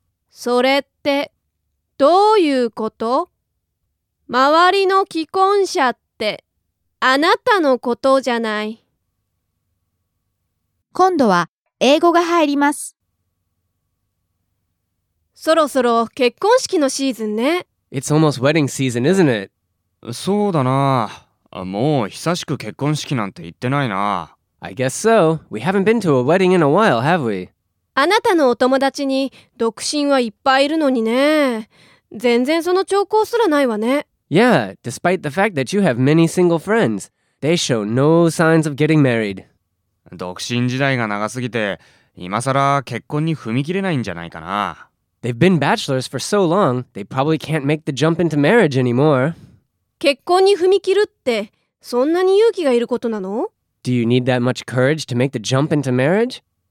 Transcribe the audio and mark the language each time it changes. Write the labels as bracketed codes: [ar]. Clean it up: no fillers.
[ja] それってどういうこと？周りの既婚者ってあなたのことじゃない。今度は英語が入ります。そろそろ結婚式のシーズンね。 [en] It's almost wedding season, isn't it? [ja] そうだな。もう久しく結婚式なんて行ってないな。 [en] I guess so. We haven't been to a wedding in a while, have we? [ja] あなたのお友達に独身はいっぱいいるのにね。全然その兆候すらないわね。 [en] Yeah, despite the fact that you have many single friends, they show no signs of getting married. [ja] 独身時代が長すぎて、今さら結婚に踏み切れないんじゃないかな。 [en] They've been bachelors for so long, they probably can't make the jump into marriage anymore. [ja] 結婚に踏み切るって、そんなに勇気がいることなの？ [en] Do you need that much courage to make the jump into marriage?